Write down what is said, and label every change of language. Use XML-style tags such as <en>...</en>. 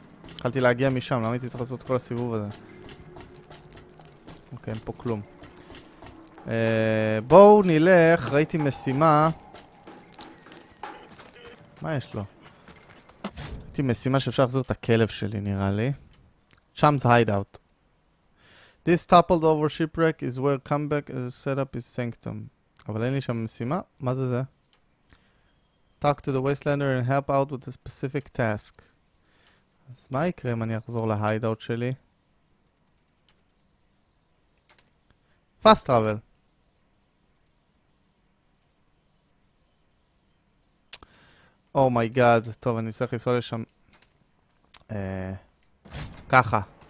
<he>התחלתי להגיע משם, למה הייתי צריך לעשות כל הסיבוב הזה? אוקיי, אין פה כלום. בואו נלך, ראיתי משימה. מה יש לו? ראיתי משימה שאפשר להחזיר את הכלב שלי, נראה לי.</he> <en>Chum's hideout. This toppled over shipwreck is where comeback is set up is sanctum.</en> <he>אבל אין לי שם משימה? מה זה זה?</he> <en>Talk to the wastelander and help out with a specific task.</en> <he>אז מה יקרה אם אני אחזור להיידאוט שלי?</he> <en>Fast travel. Oh my god,</en> <he>טוב, אני צריך לנסוע לשם. ככה.</he>